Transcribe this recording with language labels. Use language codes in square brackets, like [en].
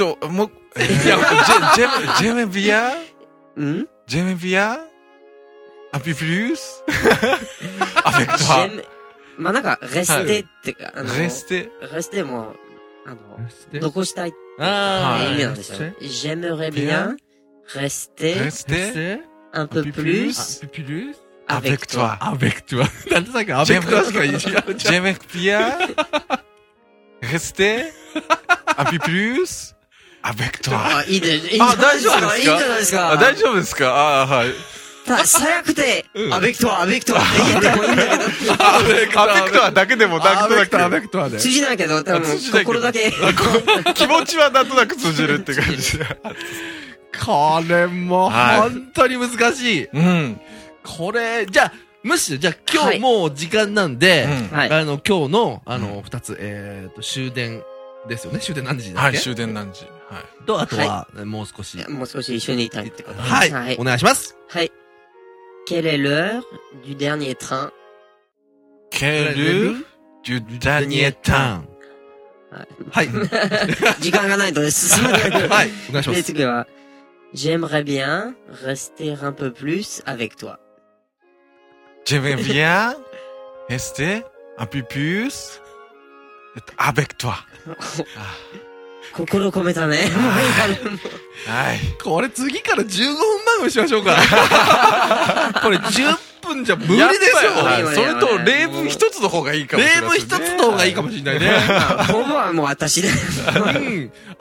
[ja] もう、いや、 [fr] j'aime bien. ん？ J'aime bien. Un peu plus. Avec toi. J'aime. [ja] まあなんか、rester ってか。 [fr] rester。 [ja] rester も、残したい。ああ、意味なんですよ。 [fr] J'aimerais bien rester un peu plus avec toi. Avec toi. [ja] なんでさっき、 [fr] avec toi [ja] しか言っちゃう。 [fr] J'aimerais bien rester un peu plus avec toi. [ja] いいですあ、大丈夫ですか？いいじゃないですか。大丈夫ですか？あ、はい。最悪で、 [fr] avec toi, avec toi [ja] って言ってもいいんだけど。 [fr] avec toi [ja] だけでも、なんとなく。 [fr] avec toi [ja] で。通じないけど、多分、心だけ。気持ちはなんとなく通じるって感じ。これも、本当に難しい。うん。これ、じゃあ、むしろ、じゃあ今日もう時間なんで、はい、今日の、二つ、終電ですよね。終電何時だっけ？はい、終電何時。はい。と、あとは、はい、もう少し。もう少し一緒にいたいってこと、はい、はい。お願いします。はい。 [fr] Quelle est l'heure du dernier train? Quelle heure du dernier train? [ja] はい。時間がないとね、進むと。はい。お願いします。次は、 [fr] J'aimerais bien rester un peu plus avec toi. J'aimerais bien rester un peu plus avec toi. [ja] 心込めたね。はい。これ次から15分前もしましょうか。これ10分じゃ無理でしょ。それと例文一つの方がいいかもしれない。例文一つの方がいいかもしれないね。ほぼはもう私で。うん。